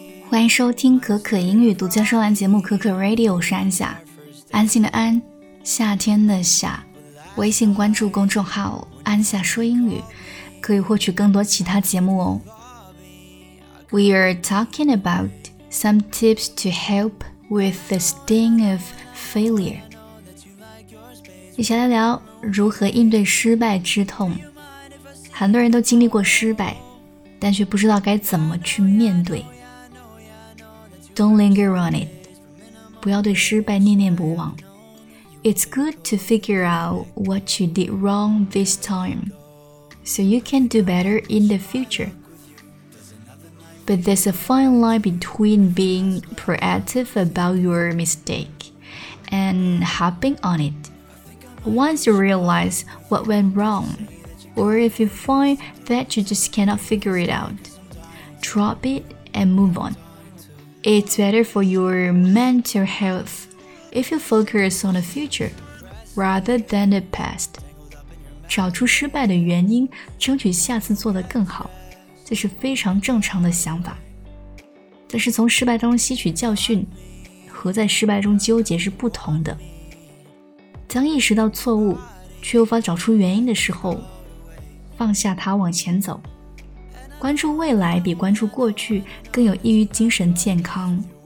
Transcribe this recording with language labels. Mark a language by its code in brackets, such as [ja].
[zh] 欢迎收听可可英语独家说完节目可可 Radio， 我是安夏，安心的安，夏天的夏。微信关注公众号安夏说英语，可以获取更多其他节目哦。 [en] We are talking about some tips to help with the sting of failure. [zh] 一起来聊如何应对失败之痛。很多人都经历过失败，但却不知道该怎么去面对。 [en] Don't linger on it. [zh] 不要对失败念念不忘。 [en] It's good to figure out what you did wrong this time, so you can do better in the future. But there's a fine line between being proactive about your mistake and hopping on it. Once you realize what went wrong, or if you find that you just cannot figure it out, drop it and move on. It's better for your mental health if you focus on the future rather than the past. [zh] 找出失败的原因，争取下次做得更好。这是非常正常的想法，但是从失败中吸取教训和在失败中纠结是不同的。当意识到错误却无法找出原因的时候，放下它往前走，关注未来比关注过去更有益于精神健康。